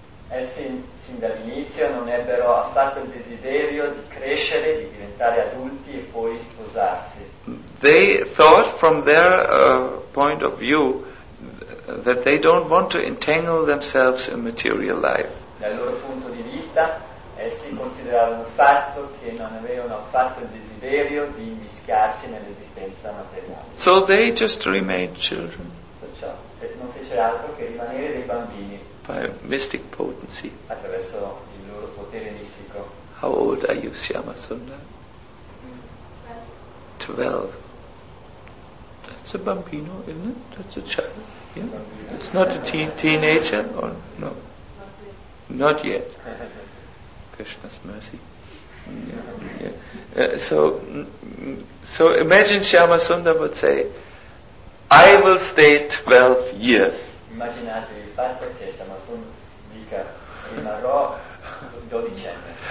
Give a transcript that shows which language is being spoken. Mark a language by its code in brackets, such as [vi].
[it] Essi sin dall'inizio non ebbero affatto il desiderio di crescere, di diventare adulti e poi sposarsi. [en] They thought from their point of view that they don't want to entangle themselves in material life. [it] Dal loro punto di vista, essi consideravano il fatto che non avevano affatto il desiderio di immischiarsi nell'esistenza materiale. [en] So they just remained children. [it] Perciò non fece altro che rimanere dei bambini. [en] By mystic potency. [it] Attraverso il loro potere mistico. [en] How old are you, Syamasundara? 12. That's a bambino, isn't it? That's a child. Yeah? It's not a teenager, or no? Not yet. Krishna's mercy. Yeah. So imagine Syamasundara would say, "I will stay 12 years." [it] Immaginate il fatto che Syamasundara dica rimarrò 12 anni.